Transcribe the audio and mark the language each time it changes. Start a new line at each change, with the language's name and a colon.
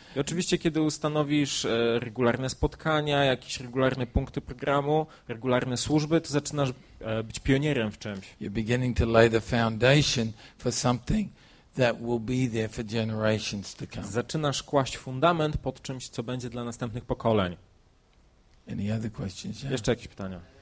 Polish: I oczywiście, kiedy ustanowisz regularne spotkania, jakieś regularne punkty programu, regularne służby, to zaczynasz być pionierem w czymś.
English: You're beginning to lay the foundation for something that will be there for generations to come.
Polish: Zaczynasz kłaść fundament pod czymś, co będzie dla następnych pokoleń.
English: Any other questions? Yeah.
Polish: Jeszcze jakieś pytania?